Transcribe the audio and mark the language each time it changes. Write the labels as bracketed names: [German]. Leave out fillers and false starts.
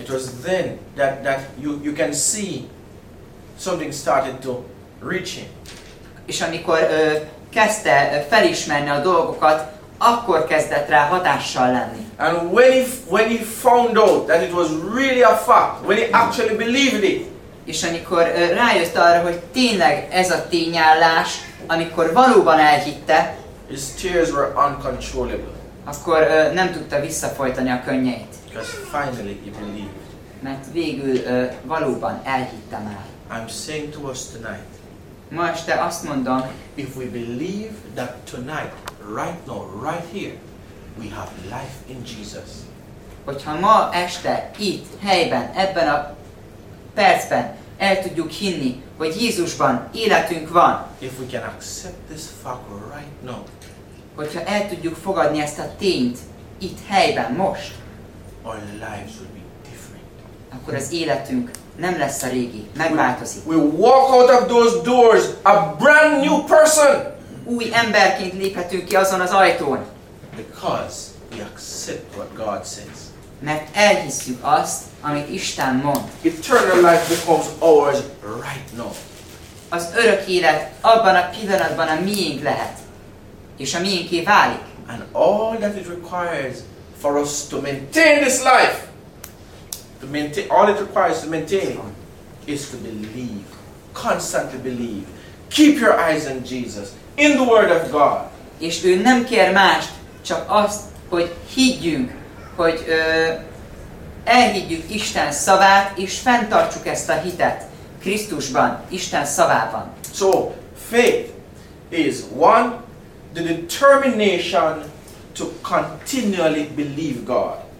[English] It was then that you can see something started to reach him. [Hungarian] És amikor kezdte felismerni a dolgokat, akkor kezdett rá hatással lenni. [English] And when he found out that it was really a fact, when he actually believed it. [Hungarian] És amikor rájött arra, hogy tényleg ez a tényállás, amikor valóban elhitte, [English] his tears were uncontrollable. [Hungarian] Akkor nem tudta visszafojtani a könnyeit. [English] Because finally he believed. [Hungarian] Mert végül valóban elhitte már. [English] I'm saying to us tonight. [Hungarian] Ma este azt mondom. [English] If we believe that tonight, right now, right here, we have life in Jesus. [Hungarian] Hogyha ma este itt, helyben, ebben a percben el tudjuk hinni, hogy Jézusban életünk van. [English] If we can accept this fact right now. [Hungarian] Hogyha el tudjuk fogadni ezt a tényt itt helyben most. [English] Our lives will be different. [Hungarian] Akkor az életünk nem lesz a régi, megváltozik. [English] We walk out of those doors a brand new person. [Hungarian] Új emberként léphetünk ki azon az ajtón. [English] Because we accept what God says. [Hungarian] Mert elhisszük azt, amit Isten mond. [English] Eternal life becomes ours right now. [Hungarian] Az örök élet abban a pillanatban a miénk lehet, és a miénké válik. [English] And all that it requires for us to maintain this life, all it requires to maintain is to believe, constantly believe. Keep your eyes on Jesus, in the Word of God. [Hungarian] És ő nem kér mást, csak azt, hogy higgyünk, hogy elhiggyük Isten szavát, és fenntartsuk ezt a hitet Krisztusban, Isten szavában. [English] So, faith is one, the determination to continually believe God.